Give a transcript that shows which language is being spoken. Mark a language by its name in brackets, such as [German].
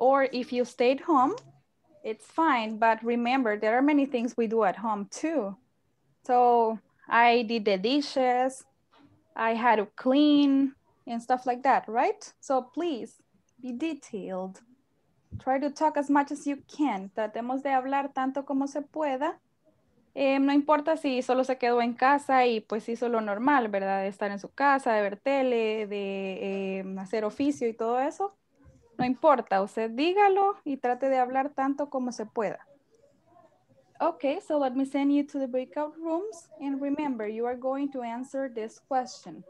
[English] Or if you stayed home, it's fine. But remember, there are many things we do at home too. So I did the dishes, I had to clean, and stuff like that, right? So please be detailed. Try to talk as much as you can. [Spanish] Tratemos de hablar tanto como se pueda. No importa si solo se quedó en casa y pues hizo lo normal, ¿verdad? De estar en su casa, de ver tele, de hacer oficio y todo eso. No importa, usted dígalo y trate de hablar tanto como se pueda. [English] Okay, so let me send you to the breakout rooms. And remember, you are going to answer this question.